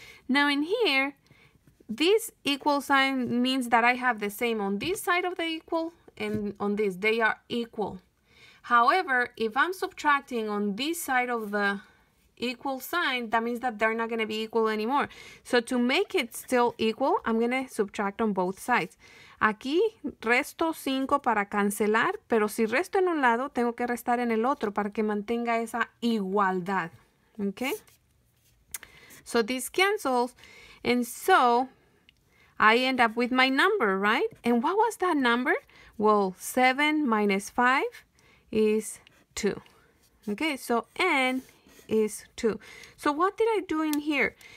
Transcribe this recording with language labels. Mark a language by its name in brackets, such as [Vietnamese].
[English] Now in here, this equal sign means that I have the same on this side of the equal and on this, they are equal. However, if I'm subtracting on this side of the equal sign, that means that they're not gonna be equal anymore. So to make it still equal, I'm gonna subtract on both sides. [Spanish] Aquí resto 5 para cancelar, pero si resto en un lado, tengo que restar en el otro para que mantenga esa igualdad. [English] Okay? So this cancels, and so I end up with my number, right? And what was that number? Well, 7 minus 5 is 2. Okay, so n is 2. So what did I do in here?